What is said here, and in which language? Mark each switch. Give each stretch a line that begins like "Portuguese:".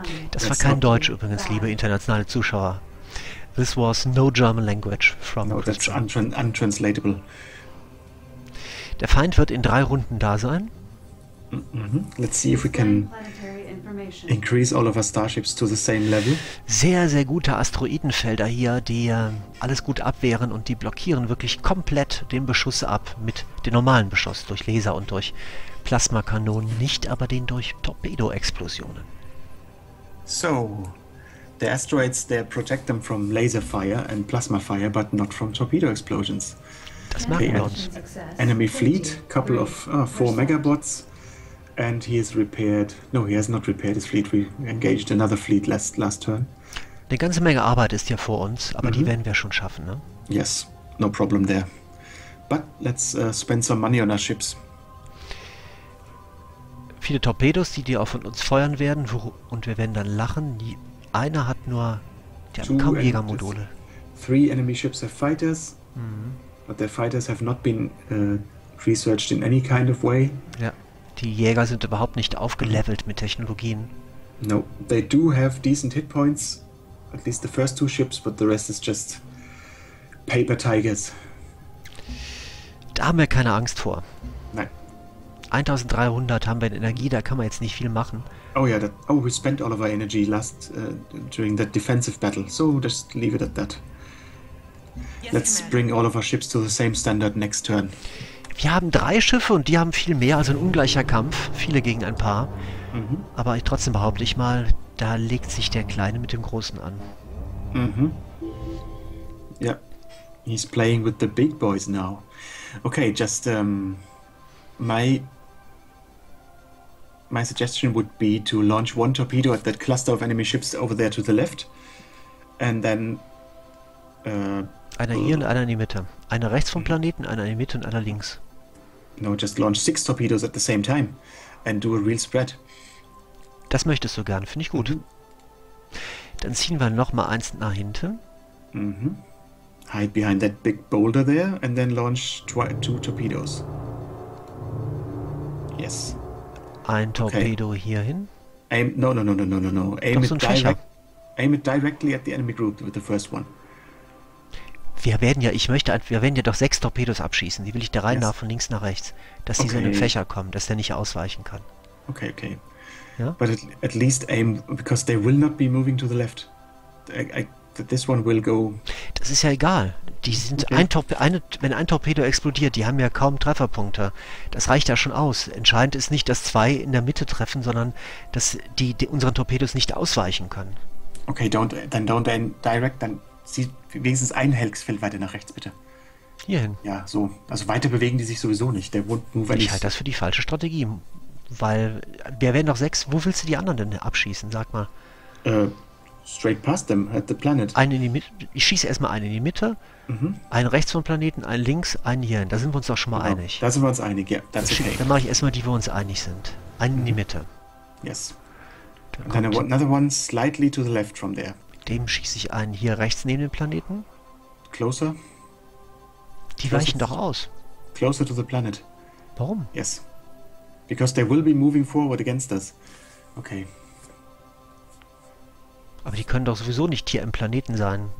German: Das war kein Deutsch übrigens, liebe internationale Zuschauer.
English: This was no German language from No, Christian. That's untranslatable.
German: Der Feind wird in drei Runden da sein.
English: Let's see if we can increase all of our starships to the same level.
German: Sehr, sehr gute Asteroidenfelder hier, die alles gut abwehren und die blockieren wirklich komplett den Beschuss ab mit dem normalen Beschuss durch Laser und durch Plasmakanonen, nicht aber den durch Torpedo-Explosionen.
English: So, the asteroids, they protect them from laser fire and plasma fire, but not from torpedo explosions.
German: Das machen wir uns.
English: Enemy fleet, couple of 4 megabots. And he has repaired. No, he has not repaired his fleet. We engaged another fleet last turn.
German: Eine ganze Menge Arbeit ist ja vor uns, aber die werden wir schon schaffen, ne?
English: Yes, no problem there. But let's spend some money on our ships.
German: Viele Torpedos, die auch von uns feuern werden, und wir werden dann lachen. Einer hat nur. Die haben kaum Jägermodule.
English: Three enemy ships have fighters, but their fighters have not been researched in any kind of way.
German: Ja. Die Jäger sind überhaupt nicht aufgelevelt mit Technologien.
English: No, they do have decent hit points, at least the first two ships, but the rest is just paper tigers.
German: Da haben wir keine Angst vor. Nein. 1300 haben wir in Energie, da kann man jetzt nicht viel machen.
English: Oh yeah, we spent all of our energy last during that defensive battle, so just leave it at that. Yes, let's bring all of our ships to the same standard next turn.
German: Wir haben drei Schiffe und die haben viel mehr, also ein ungleicher Kampf, viele gegen ein paar. Aber ich trotzdem behaupte ich mal, da legt sich der Kleine mit dem Großen an.
English: Mhm. Ja. Yeah. He's playing with the big boys now. Okay, just my suggestion would be to launch one torpedo at that cluster of enemy ships over there to the left. And then
German: einer hier und einer in die Mitte. Einer rechts vom Planeten, einer in die Mitte und einer links.
English: No, just launch 6 torpedoes at the same time and do a real spread.
German: Das möchtest du gern, finde ich gut. Dann ziehen wir noch mal eins nach hinten.
English: Hide behind that big boulder there and then launch 2 torpedoes. Yes.
German: Ein Torpedo hier hin.
English: No. Aim it direct. Aim it directly at the enemy group with the first one.
German: Wir werden ja doch 6 Torpedos abschießen. Die will ich der Reihe nach von links nach rechts, dass die so in den Fächer kommen, dass der nicht ausweichen kann. Okay. Ja?
English: But at least aim, because they will not be moving to the left. This one will go.
German: Das ist ja egal. Die sind wenn ein Torpedo explodiert, die haben ja kaum Trefferpunkte. Das reicht ja schon aus. Entscheidend ist nicht, dass zwei in der Mitte treffen, sondern dass die unseren Torpedos nicht ausweichen können.
English: Okay, don't aim direct, dann.
German: Sieh wenigstens ein Helksfeld weiter nach rechts, bitte. Hier hin. Ja, so. Also weiter bewegen die sich sowieso nicht. Der
English: won't move.
German: Ich halte das für die falsche Strategie. Weil wir werden noch 6. Wo willst du die anderen denn abschießen, sag mal?
English: Straight past them, at the planet.
German: Ich schieße erstmal einen in die Mitte, einen rechts vom Planeten, einen links, einen hier hin. Da sind wir uns doch schon mal einig. Da sind wir uns einig, ja. Das ist okay. Dann mache ich erstmal die, wo wir uns einig sind. Einen in die Mitte.
English: Yes. Dann another one slightly to the left from there.
German: Dem schieße ich einen hier rechts neben dem Planeten.
English: Closer.
German: Die weichen doch aus.
English: Closer to the planet.
German: Warum?
English: Yes. Because they will be moving forward against us. Okay.
German: Aber die können doch sowieso nicht hier im Planeten sein.